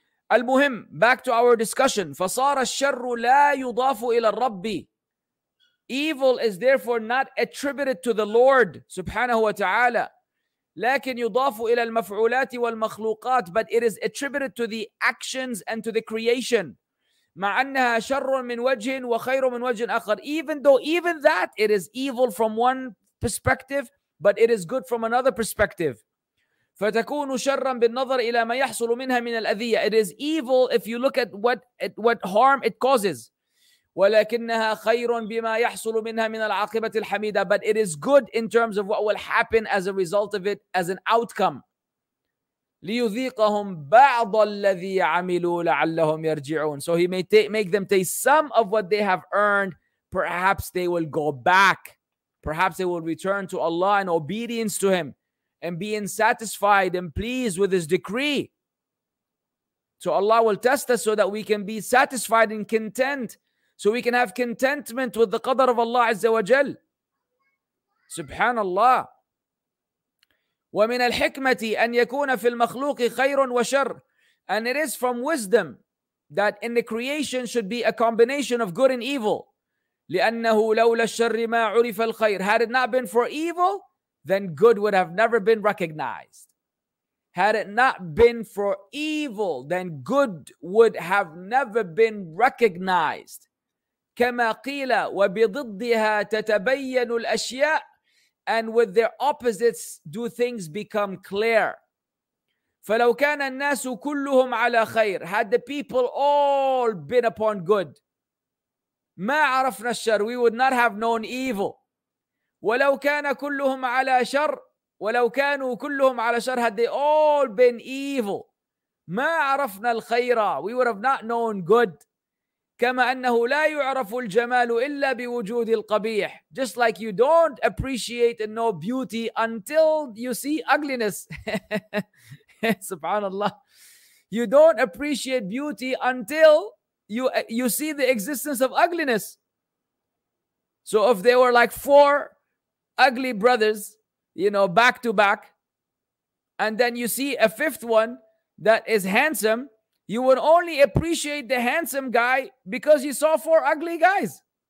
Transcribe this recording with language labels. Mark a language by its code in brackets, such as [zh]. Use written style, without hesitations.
[ar] Al-Muhim, [en] back to our discussion. [ar] فَصَارَ الشَّرُّ لَا يُضَافُ إِلَى الرَّبِّ. [en] Evil is therefore not attributed to the Lord, subhanahu wa ta'ala. [ar] لكن يضاف إلى المفعولات والمخلوقات, [en] but it is attributed to the actions and to the creation. [ar] مع أنها شر من وجه وخير من وجه آخر. [en] Even that, it is evil from one perspective, but it is good from another perspective. [ar] فتكون شرا بالنظر إلى ما يحصل منها من الأذية. [en] It is evil if you look at what harm it causes. [ar] ولكنها خير بما يحصل منها من العاقبة الحميدة, [en] but it is good in terms of what will happen as a result of it, as an outcome. [ar] ليذيقهم بعض الذي عملوا لعلهم يرجعون. [en] So he may make them taste some of what they have earned. Perhaps they will go back. Perhaps they will return to Allah in obedience to him and being satisfied and pleased with his decree. So Allah will test us so that we can be satisfied and content. So we can have contentment with the qadar of Allah Azza wa Jal. Subhanallah. [ar] وَمِنَ الْحِكْمَةِ أَنْ يَكُونَ فِي الْمَخْلُوقِ خَيْرٌ وَشَرٌ. [en] And it is from wisdom that in the creation should be a combination of good and evil. [ar] لأنه لولا الشر ما عرف الخير. [en] Had it not been for evil, then good would have never been recognized. Had it not been for evil, then good would have never been recognized. [ar] كما قيل وبضدها تتبين الأشياء. [en] And with their opposites do things become clear. [ar] فلو كان الناس كلهم على خير. [en] Had the people all been upon good, [ar] ما عرفنا الشر. [en] We would not have known evil. [ar] ولو كان كلهم على شر. ولو كانوا كلهم على شر. [en] Had they all been evil, [ar] ما عرفنا الخير. [en] We would have not known good. [ar] كما أنه لا يعرف الجمال إلا بوجود القبيح. [en] Just like you don't appreciate and know beauty until you see ugliness. Subhanallah. You don't appreciate beauty until you see the existence of ugliness. So if there were like four ugly brothers, you know, back to back, and then you see a fifth one that is handsome, you would only appreciate the handsome guy because you saw four ugly guys.